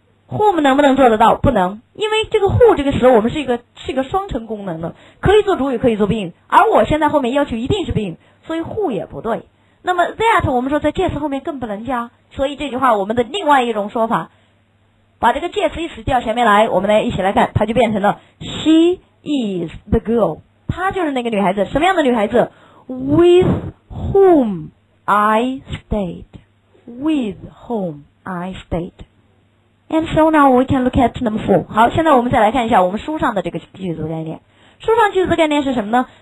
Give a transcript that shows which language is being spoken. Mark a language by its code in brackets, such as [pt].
[zh] whom 能不能做得到？不能。因为这个 who 这个词我们是一个双重功能的，可以做主语可以做宾语，而我现在后面要求一定是宾语，所以 who 也不对。那么 that 我们说在介词后面更不能加，所以这句话我们的另外一种说法，把这个介词一词调前面来，我们来一起来看，它就变成了 [en] She is the girl， [zh] 她就是那个女孩子，什么样的女孩子？ [en] With whom I stayed， With whom I stayed。 And so now we can look at number four。 [zh] 好，现在我们再来看一下我们书上的这个句子概念。书上句子概念是什么呢？